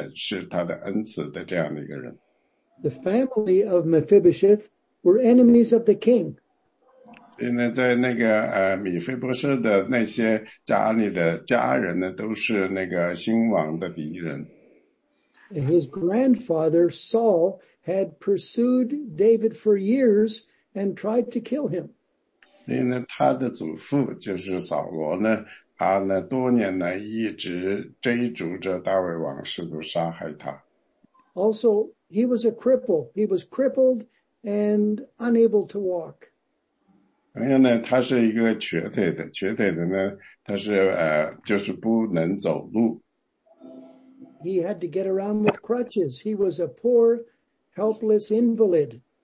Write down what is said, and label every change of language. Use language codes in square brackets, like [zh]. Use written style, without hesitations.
[zh] 因为我们来看看一点点这个人，这个人呢，就是说呢，大卫王，他要向他显示他的恩慈的这样的一个人。 [en] The family of Mephibosheth were enemies of the king. [zh] 现在在那个米菲波设的那些家里的家人呢，都是那个新王的敌人。 [en] His grandfather Saul had pursued David for years and tried to kill him. [zh] 所以呢，他的祖父就是扫罗呢，他呢多年来一直追逐着大卫王，试图杀害他。 [en] Also, he was a cripple. He was crippled and unable to walk. [zh] 然后呢，他是一个瘸腿的，瘸腿的呢，他是就是不能走路。 [en] He had to get around with crutches. He was a poor, helpless invalid.